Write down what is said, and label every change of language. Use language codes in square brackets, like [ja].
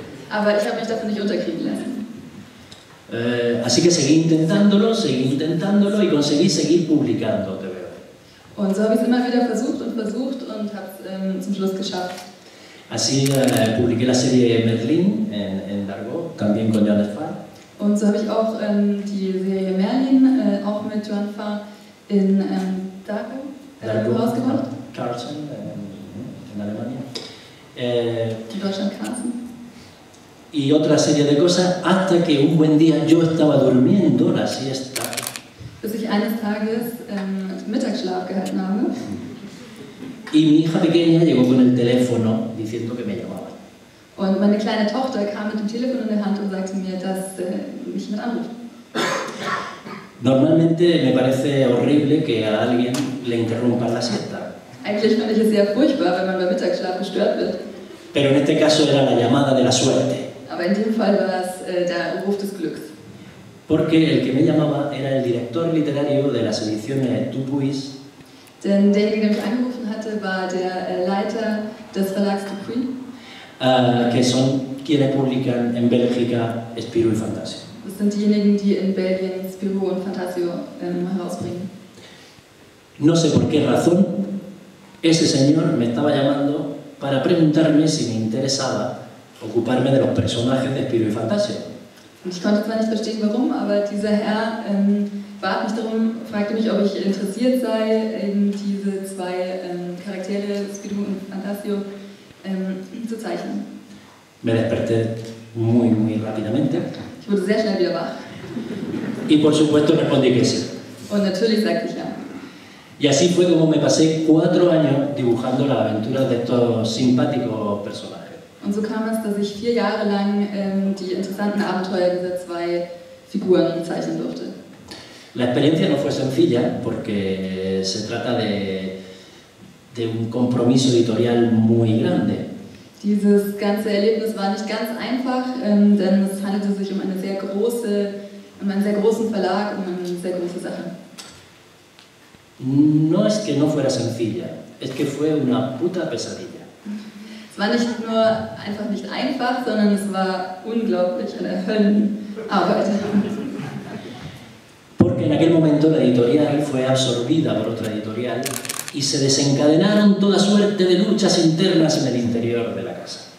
[de] Aber ich habe mich dafür nicht unterkriegen lassen. [es] Así que seguí intentándolo y conseguí seguir publicando. [de] Und so habe ich es immer wieder versucht und habe es zum Schluss geschafft. [es] Así publiqué la serie Merlin en Largo, también con Johannes Farr. [de] Und so habe ich auch die Serie Merlin, auch mit Johannes Farr, in Largo rausgebracht. [es] Carlsen in Alemania. [de] In Deutschland Carlsen. [es] Y otra serie de cosas, hasta que un buen día yo estaba durmiendo la siesta. [de] Bis ich eines Tages Mittagsschlaf gehalten habe. [es] Y mi hija pequeña llegó con el teléfono diciendo que me llamaba. [de] Und meine kleine Tochter kam mit dem Telefon in der Hand und sagte mir, dass mich jemand anruft. [es] Normalmente me parece horrible que a alguien le interrumpa la siesta. [de] Eigentlich finde ich es sehr furchtbar, wenn man beim Mittagsschlaf gestört wird. [es] Pero en este caso era la llamada de la suerte. [de] Aber in dem Fall war es der Ruf des Glücks. [es] Porque el que me llamaba era el director literario de las ediciones Dupuis. [de] Denn derjenige, der mich angerufen hatte, war der Leiter des Verlags Dupuis. [es] Que son quienes publican en Bélgica Spirou y Fantasio. [de] Das sind diejenigen, die in Belgien Spirou und Fantasio herausbringen. [es] No sé por qué razón ese señor me estaba llamando para preguntarme si me interesaba ocuparme de los personajes de Spirou y Fantasio. [de] Ich konnte zwar nicht verstehen, warum, aber dieser Herr bat mich darum, fragte mich, ob ich interessiert sei, eben diese zwei Charaktere, Spirou und Fantasio, zu zeichnen. [es] Me desperté muy, muy rápidamente. [de] Ich wurde sehr schnell wieder wach. [es] Y por supuesto respondí que sí. [de] Und natürlich sagte ich ja. [es] Y así fue como me pasé cuatro años dibujando las aventuras de estos simpáticos personajes. [de] Und so kam es, dass ich vier Jahre lang die interessanten Abenteuer dieser zwei Figuren zeichnen durfte. [es] La experiencia no fue sencilla, porque se trata de un compromiso editorial muy grande. [de] Dieses ganze Erlebnis war nicht ganz einfach, denn es handelte sich um einen sehr großen Verlag, um eine sehr große Sache. [es] No es que no fuera sencilla, es que fue una puta pesadilla. [de] Es war nicht nur einfach nicht einfach, sondern es war unglaublich eine Höllenarbeit. [es] Porque en aquel momento la editorial fue absorbida por otra editorial y se desencadenaron toda suerte de luchas internas en el interior de la casa.